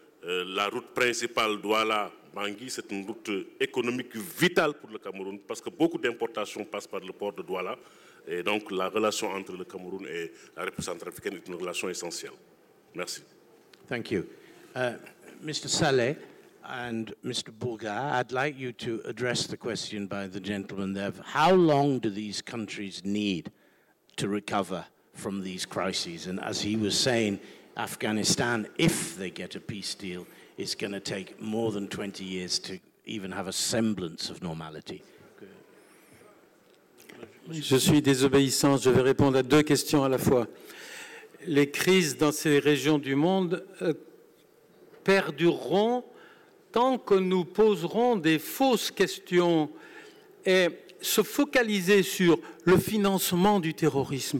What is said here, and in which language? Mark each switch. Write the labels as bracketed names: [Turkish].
[French] La route principale Douala-Bangui, c'est une route économique vitale pour le Cameroun parce que beaucoup d'importations passent par le port de Douala. Et donc la relation entre le Cameroun et la République centrafricaine est une relation essentielle. Merci. [English] Thank you. Mr. Saleh and Mr. Bourga, I'd like you to address the question by the gentleman there. How long do these countries need to recover from these crises? And as he was saying, Afghanistan, if they get a peace deal, is going to take more than 20 years to even have a semblance of normality. [French] Je suis désobéissant, je vais répondre à deux questions à la fois. Les crises dans ces régions du monde perdureront tant que nous poserons des fausses questions et se focaliser sur le financement du terrorisme.